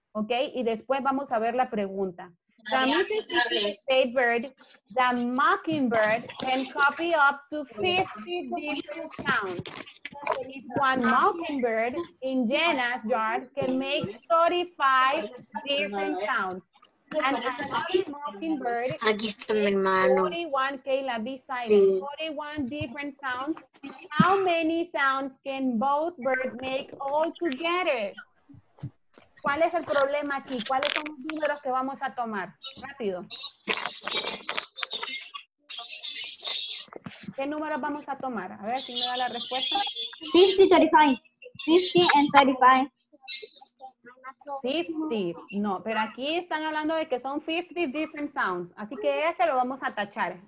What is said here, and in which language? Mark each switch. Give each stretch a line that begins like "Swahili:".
Spanish: Okay, y después vamos a ver la pregunta.
English: The Mississippi State Bird, the Mockingbird, can copy up to 50 different sounds. If one Mockingbird in Jenna's yard can make 35 different sounds. Mockingbird.
Spanish: Aquí está mi hermano.
English: 41, Kayla, be silent. Sí. 41 different sounds. How many sounds can both birds make all together?
Spanish: ¿Cuál es el problema aquí? ¿Cuáles son los números que vamos a tomar? Rápido. ¿Qué números vamos a tomar? A ver si me da la respuesta.
English: 50, 35. 50 and 35.
Spanish: 50, no, pero aquí están hablando de que son 50
English: different sounds,
Spanish: así que ese lo vamos a tachar.